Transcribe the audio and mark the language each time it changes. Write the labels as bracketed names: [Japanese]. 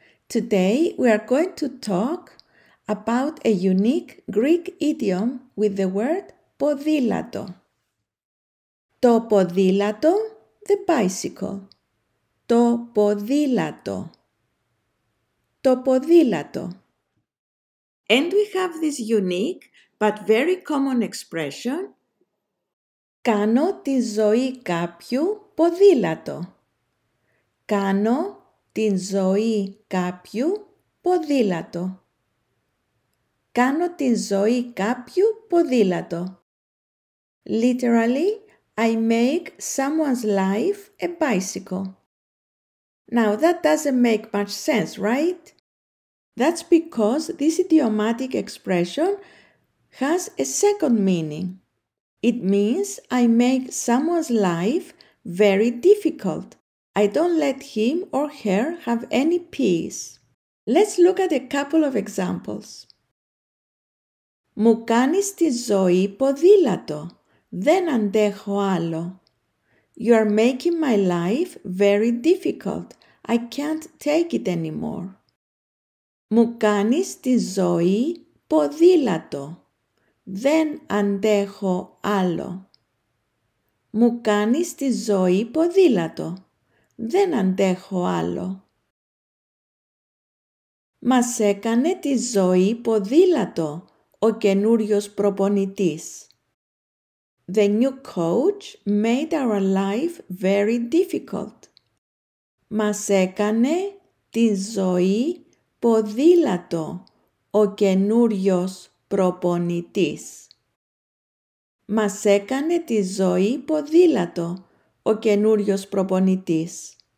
[English] Today we are going to talk about a unique Greek idiom with the word ποδήλατο. [Greek] Το ποδήλατο, [English] the bicycle. [Greek] Το ποδήλατο. Το ποδήλατο. [English] And we have this unique but very common expression. [Greek] Κάνω τη ζωή κάποιου ποδήλατο. Κάνω την ζωή κάποιου ποδήλατο. Κάνω την ζωή κάποιου ποδήλατο. [English] Literally, I make someone's life a bicycle. Now, that doesn't make much sense, right? That's because this idiomatic expression has a second meaning. It means I make someone's life very difficult. I don't let him or her have any peace. Let's look at a couple of examples. [Greek] Μου κάνεις τη ζωή ποδήλατο. Δεν αντέχω άλλο. [English] You are making my life very difficult. I can't take it anymore. [Greek] Μου κάνεις τη ζωή ποδήλατο. Δεν αντέχω άλλο. Μου κάνεις τη ζωή ποδήλατο. Δεν αντέχω άλλο. Μας έκανε τη ζωή ποδήλατο ο καινούριος προπονητής. [English] The new coach made our life very difficult. [Greek] Μας έκανε τη ζωή ποδήλατο ο καινούριος προπονητής. Μας έκανε τη ζωή ποδήλατο ο καινούριος προπονητής.